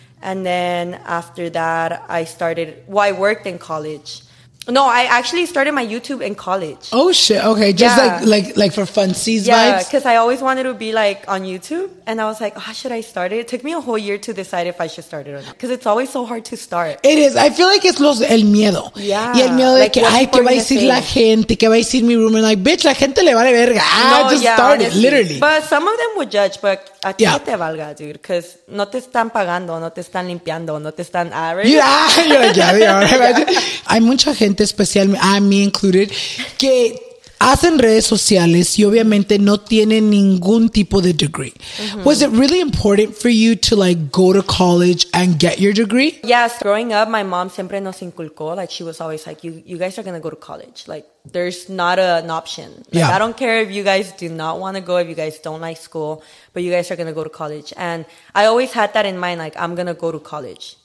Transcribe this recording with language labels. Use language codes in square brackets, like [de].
[en] And then after that, I worked in college. No, I actually started my YouTube in college. Oh, shit. Okay. Just like for fun season vibes? Yeah, because I always wanted to be like on YouTube. And I was like, oh, should I start it? It took me a whole year to decide if I should start it or not. Because it's always so hard to start. It is. I feel like it's [es] el miedo. [en] Yeah. [es] Y el miedo de like, que, ay, ¿qué va a decir la gente? ¿Qué va a decir mi roommate? [en] Like, bitch, [es] la gente le vale verga. Ah, [en] no, just start it, literally. But some of them would judge, but [es] a ti que te valga, [en] dude. [es] Because no te están pagando, no te están limpiando, no te están average. Yeah, Hay mucha gente. Especialmente, [en] me included, [es] que hacen redes sociales y obviamente no tienen ningún tipo de degree. Mm-hmm. [en] Was it really important for you to like go to college and get your degree? Yes. Growing up, my mom [es] siempre nos inculcó, [en] like she was always like, you guys are going to go to college. Like there's not an option. Like, yeah. I don't care if you guys do not want to go, if you guys don't like school, but you guys are going to go to college. And I always had that in mind, like I'm going to go to college.